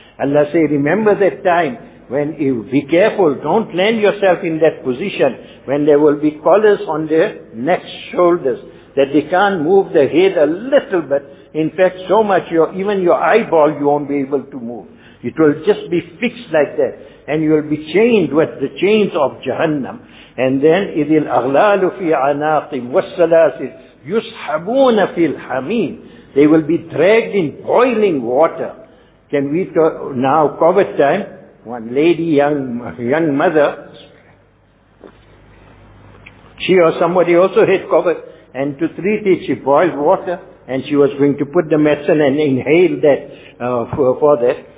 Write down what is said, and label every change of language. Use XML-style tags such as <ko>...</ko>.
<en>Allah says, remember that time when you be careful, don't land yourself in that position, when there will be collars on their neck, shoulders, that they can't move the head a little bit. In fact, so much, even your eyeball, you won't be able to move. It will just be fixed like that. And you will be chained with the chains of Jahannam. And then,</en> <ar>إِذِ الْأَغْلَالُ فِي عَنَاقِمْ وَالسَّلَاسِلْ يُسْحَبُونَ فِي الْحَمِيمِ.</ar> <en>They will be dragged in boiling water. Can we talk now, COVID time, one lady, young mother, she or somebody also had COVID, and to treat it, she boiled water. And she was going to put the medicine and inhale that for that.</en>